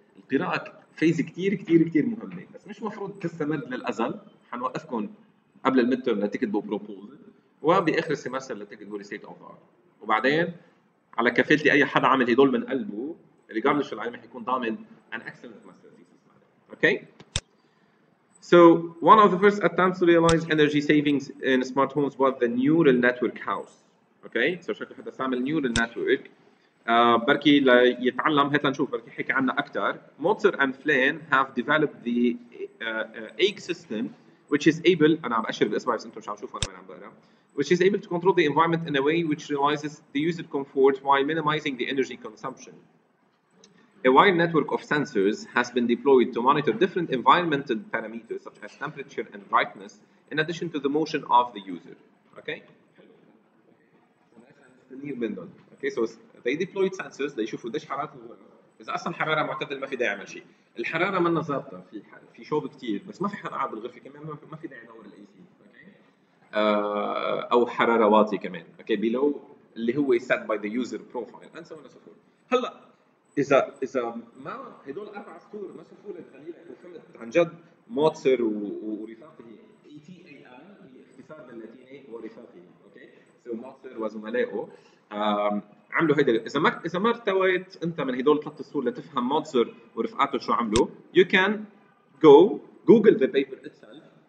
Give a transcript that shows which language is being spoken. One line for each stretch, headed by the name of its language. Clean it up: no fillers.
Arabic: القراءة فيز كتير كتير كتير مهمة. بس مش مفروض تستمر للأزل. حنوقفكم قبل المتر لتكتبوا proposal وبآخر السيمستر لتكتبوا state of art. وبعدين على كفالتي أي حدا عمل هدول من قلبه.
English: regardless شو العلم حيكون ضامن an excellent master thesis. Okay. So one of the first attempts to realize energy savings in smart homes was the neural network house. Okay. So شكله حدا استعمل neural network.
Arabic: بركي ليتعلم هات لنشوف بركي حكى عنا أكتر.
English: Motzer and Flynn have developed the egg system, which is able.
Arabic: أنا عم أشرب الأسبوع بس أنتم مش عم تشوفوا أنا من عم بقرأ.
English: Which is able to control the environment in a way which realizes the user comfort while minimizing the energy consumption. A wide network of sensors has been deployed to monitor different environmental parameters such as temperature and brightness, in addition to the motion of the user. Okay. Okay. So they deployed sensors.
Arabic: They show فدش حرارة الغرفة. إذا أصلا حرارة معتدل ما في داعي لشيء. الحرارة ما نزابطة في شوب كتير. بس ما في حرارة بالغرفة كمان ما في داعي نور الـ AC. أو حرارة واطية كمان. Okay.
English: Below اللي هو set by the user profile. And so on and so forth.
Arabic: هلا إذا ما هدول أربع سطور ما شوفوا القليلة وفهمت عن جد موتسر ورفاقه ETAI اختصار من اللاتيني ورفاقه أوكي سو موتسر وزملائه عملوا هيدا إذا ما ارتويت أنت من هدول ثلاث سطور لتفهم موتسر ورفقاته شو عملوا you can go google the paper itself